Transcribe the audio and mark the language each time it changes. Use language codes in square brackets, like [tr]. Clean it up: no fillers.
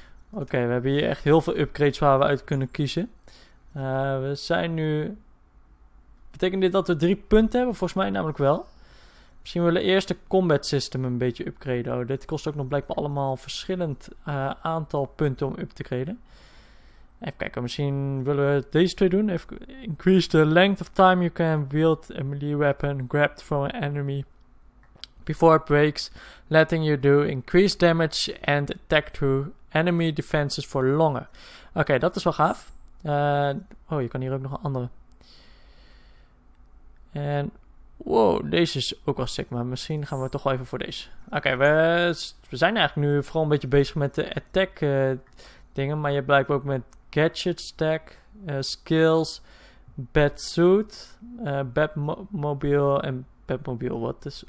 [nl] Oké, we hebben hier echt heel veel upgrades waar we uit kunnen kiezen. We zijn nu... Betekent dit dat we 3 punten hebben? Volgens mij namelijk wel. Misschien willen we eerst de combat system een beetje upgraden. Oh, dit kost ook nog blijkbaar allemaal verschillend aantal punten om up te graden. Even kijken, misschien willen we deze twee doen. [en] Increase the length of time you can wield a melee weapon grabbed from an enemy before it breaks, letting you do increased damage and attack through enemy defenses for longer. [nl] Oké, dat is wel gaaf. Je kan hier ook nog een andere. En, wow, deze is ook wel sick, maar misschien gaan we toch wel even voor deze. Oké, we zijn eigenlijk nu vooral een beetje bezig met de attack dingen, maar je blijkt ook met gadget stack, skills, bad suit, Batmobile en Batmobile, wat is.